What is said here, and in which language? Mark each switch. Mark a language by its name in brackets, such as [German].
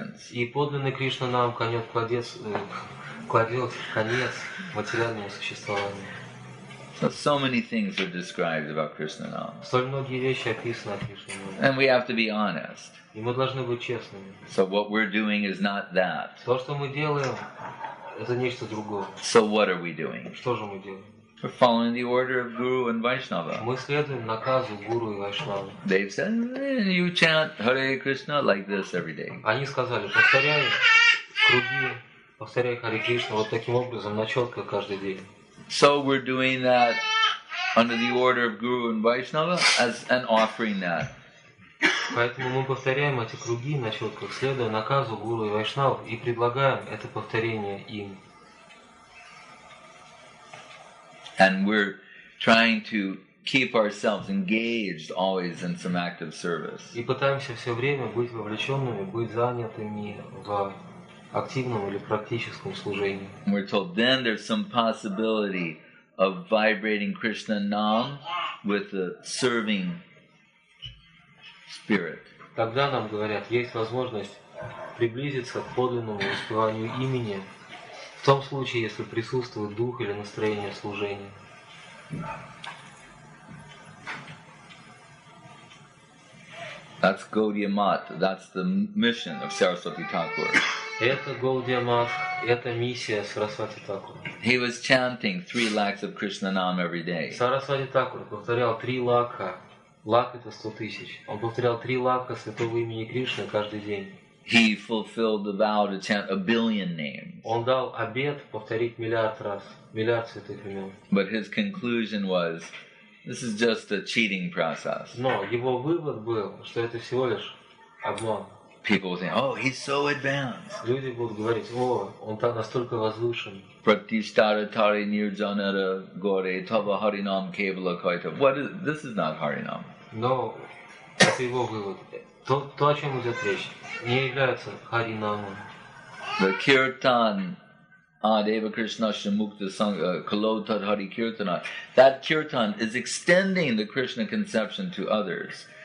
[Russian] И подлинный Кришна нам кладет конец материальному существованию. [English] So many things are described about Krishna Nama. [Russian] Столь многие вещи описаны о Кришне Нама. [English] And we have to be honest. [Russian] И мы должны быть честными. [English] So what we're doing is not that. [Russian] То, что мы делаем, это нечто другое. [English] So what are we doing? [Russian] Что же мы делаем? [English] We're following the order of Guru and Vaishnava. [Russian] Мы следуем наказу Гуру и Вайшнава. [English] They've said, you chant Hare Krishna like this every day. [Russian] Они сказали, повторяй круги, повторяй Hare Krishna вот таким образом, на четко каждый день. [English] So we're doing that under the order of Guru and Vaishnava as an offering that. [Russian] Поэтому мы повторяем эти круги на четко, следуя наказу Гуру и Вайшнава, и предлагаем это повторение им. [English] And we're trying to keep ourselves engaged always in some active service. [Russian] И пытаемся все время быть вовлеченными, быть занятыми в активном или практическом служении. [English] We're told then there's some possibility of vibrating Krishna Nam with the serving spirit. [Russian] Тогда нам говорят, есть возможность приблизиться к подлинному воспеванию имени. В том случае, если присутствует дух или настроение служения. [English] That's Gaudiya Math. That's the mission of Saraswati Thakur. [Russian] Это Gaudiya Math. Это миссия Сарасвати Такур. [English] He was chanting 3 lakhs of Krishna Nam every day. [Russian] Сарасвати Такур повторял 3 лакха. Лак это 100 000. Он повторял 3 лакха святого имени Кришны каждый день. [English] He fulfilled the vow to chant 1 billion names. [Russian] Он дал обет повторить миллиард раз, миллиард святых имен. [English] But his conclusion was, this is just a cheating process. [Russian] Но его вывод был, что это всего лишь обман. [English] People would say, oh, he's so advanced. [Russian] Люди будут говорить, о, он там настолько возвышен. [Sanskrit] Pratishtara tari nirjanara gore tava harinam kevala kaita. [English] What is, this is not harinam. [Russian] Но это его вывод. То, о чем идет речь, не является харинамом. [English] The kirtan, [Sanskrit] Deva Krishna Shamukta Sangha, Kalotad Hari Kirtana, [English] that kirtan is extending the Krishna conception to others.